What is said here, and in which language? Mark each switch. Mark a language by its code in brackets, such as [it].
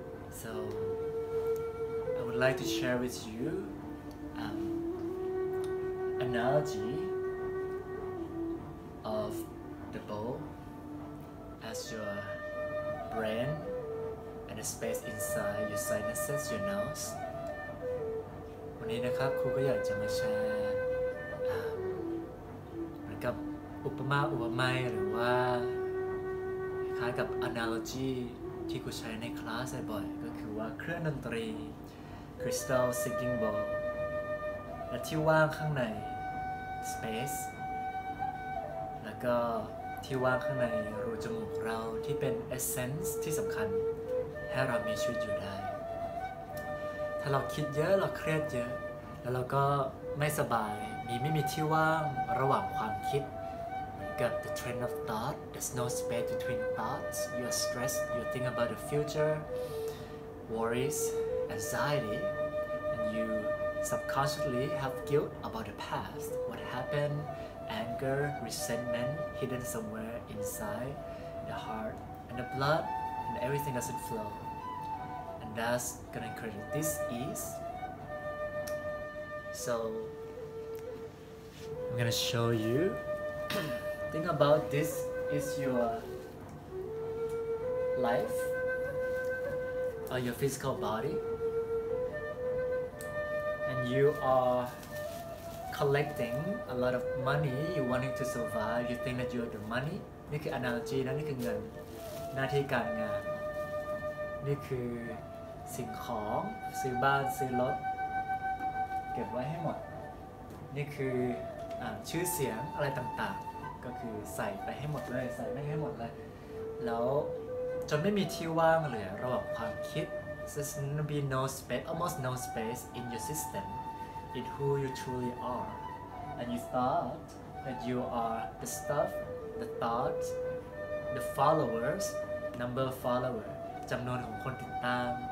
[en] So I would like to share with you analogy of the bowl as your brain and the space inside your sinuses, your nose. [th] วันนี้นะครับครูก็อยากจะมาแชร์กับอุปมาอุปไมยหรือว่าคล้ายกับ analogy ที่ครูใช้ในคลาสบ่อยก็คือว่าเครื่องดนตรี crystal singing bowl และที่ว่างข้างใน space แล้วก็ที่ว่างข้างในรูจมูกเราที่เป็น essence ที่สำคัญให้เรามีชีวิตอยู่ได้ถ้าเราคิดเยอะเราเครียดเยอะแล้วเราก็ไม่สบายไม่มีที่ว่างระหว่างความคิด [en] Got the train of thought. There's no space between thoughts. You're stressed. You think about the future, worries, anxiety, and you subconsciously have guilt about the past. What happened? Anger, resentment, hidden somewhere inside the heart and the blood, and everything doesn't flow. And that's gonna create this ease. So I'm gonna show you. Think about this is your life or your physical body, and you are collecting a lot of money. You wanting to survive. You think that you are the money. [th] นี่คือ analogy นะนี่คือเงินหน้าที่การงานนี่คือสิ่งของซื้อบ้านซื้อรถ เก็บไว้ให้หมดนี่คือชื่อเสียงอะไรต่างๆก็คือใส่ไปให้หมดเลยใส่ไม่ให้หมดเลยแล้วจนไม่มีที่ว่างเหลือระหว่างความคิด [en] there's gonna be no space almost no space in your system in who you truly are and you thought that you are the stuff the thought the followers number of follower [th] จำนวนของคนติดตาม